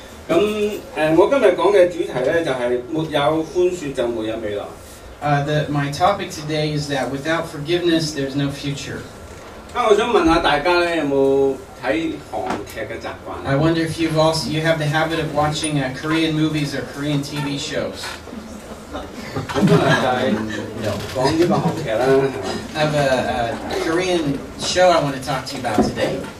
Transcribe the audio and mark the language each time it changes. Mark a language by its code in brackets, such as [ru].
[zh] 我今天讲的主题就是没有宽恕就没有未来。 [en] My topic today is that without forgiveness, there's no future. [zh] 我想问下大家有没有看韩剧的习惯。 [en] I wonder if you've also, you have the habit of watching Korean movies or Korean TV shows. [zh] 我本来就是讲这个韩剧啦。 [en] I have a Korean show I want to talk to you about today.